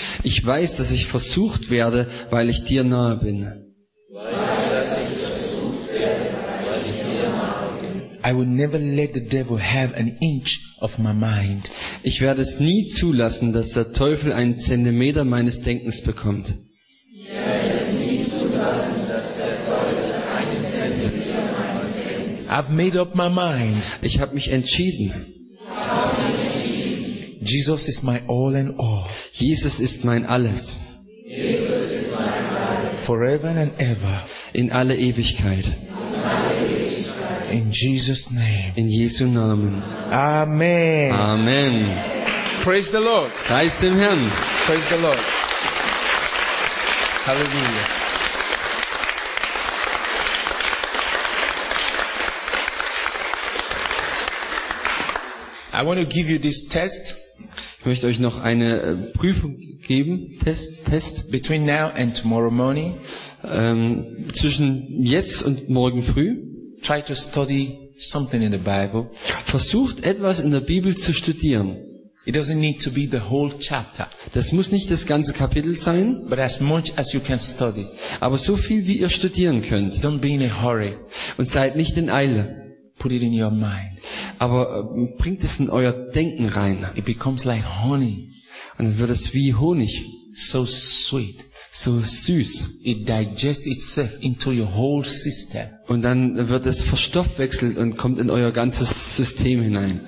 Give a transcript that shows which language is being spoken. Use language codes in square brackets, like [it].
[de] Ich weiß, dass ich versucht werde, weil ich dir nahe bin. [en] I will never let the devil have an inch of my mind. [de] Ich werde es nie zulassen, dass der Teufel einen Zentimeter meines Denkens bekommt. Ich werde es nie zulassen, dass der Teufel einen Zentimeter meines Denkens bekommt. [en] I've made up my mind. [de] Ich habe mich entschieden. Ich habe mich entschieden. [en] Jesus is my all and all. [de] Jesus ist mein alles. Jesus ist mein alles. [en] Forever and ever. [de] In alle Ewigkeit. [en] In Jesus' name. [de] In Jesu Namen. [en] Amen. [de] Amen. [en] Praise the Lord. [de] Preist den Herrn. [en] Praise the Lord. Hallelujah. I want to give you this test. [de] Ich möchte euch noch eine Prüfung geben. [en] Test. Between now and tomorrow morning. [de] Zwischen jetzt und morgen früh. [en] Try to study something in the Bible. [de] Versucht etwas in der Bibel zu studieren. [en] It doesn't need to be the whole chapter. [de] Das muss nicht das ganze Kapitel sein. [en] But as much as you can study. [de] Aber so viel wie ihr studieren könnt. [en] Don't be in a hurry. [de] Und seid nicht in Eile. [en] Put it in your mind. [de] Aber bringt es in euer Denken rein. [en] It becomes like honey. [de] Und dann wird es wie Honig. [en] So sweet. [de] So süß. [en] It digests itself into your whole system. [de] Und dann wird es verstoffwechselt und kommt in euer ganzes System hinein.